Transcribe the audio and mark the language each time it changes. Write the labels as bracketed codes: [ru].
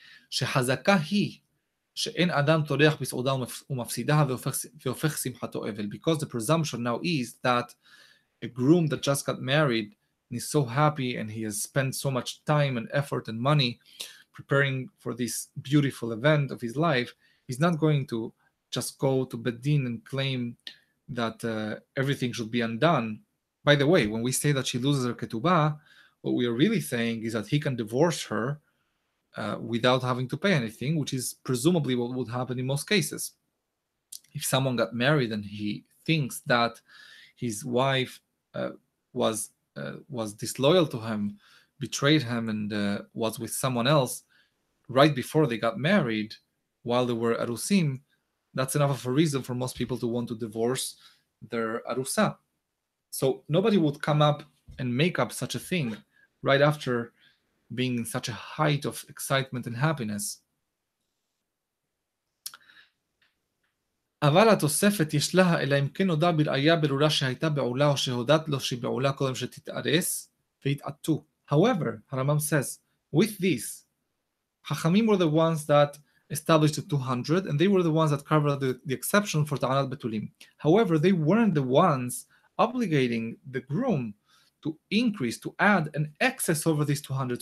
[he] שחזקה היא שאין אדם תולח בסעודה ומפסידה והופך שמחתו אבל. [en] Because the presumption now is that a groom that just got married and is so happy and he has spent so much time and effort and money preparing for this beautiful event of his life, he's not going to just go to Bedin and claim that everything should be undone. By the way, when we say that she loses her ketubah, what we are really saying is that he can divorce her without having to pay anything, which is presumably what would happen in most cases. If someone got married and he thinks that his wife was disloyal to him, betrayed him, and was with someone else right before they got married, while they were arusim, that's enough of a reason for most people to want to divorce their arusa. So nobody would come up and make up such a thing right after being in such a height of excitement and happiness. [he] אבל התוספת יש לה, אלא אם כן נודע בראיה ברורה שהייתה בעולה או שהודעת לו שהיא בעולה קודם שתתארס והתעטו. [en] However, הרמב"ם says, with this, חכמים were the ones that established the 200, and they were the ones that covered the exception for טענת בתולים. However, they weren't the ones obligating the groom to increase, to add an excess over these 200.